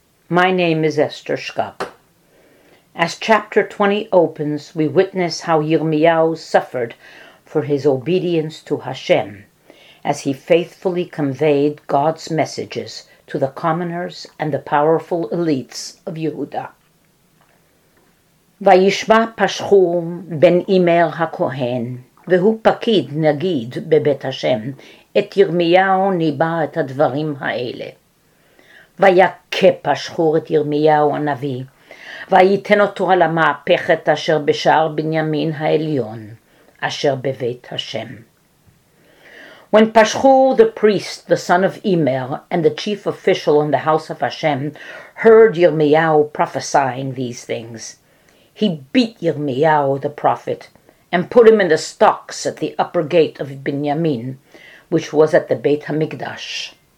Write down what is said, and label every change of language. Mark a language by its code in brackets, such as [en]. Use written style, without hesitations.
[en] My name is Esther Schkopp. As chapter 20 opens, we witness how Yirmiyahu suffered for his obedience to Hashem as he faithfully conveyed God's messages to the commoners and the powerful elites of Yehuda. [he] Vayishma Pashchu ben Imer HaKohen vehu pakid nagid bebet Hashem את ירמיהו ניבא את הדברים האלה. ויקה פשחור את ירמיהו הנביא, ויתן אותו על המהפכת אשר בשער בנימין העליון, אשר בבית השם. [en] When Pashchur, the priest, the son of Immer, and the chief official in the house of Hashem, heard Yirmiyahu prophesying these things, he beat Yirmiyahu, the prophet, and put him in the stocks at the upper gate of Binyamin, which was at the Beit HaMikdash.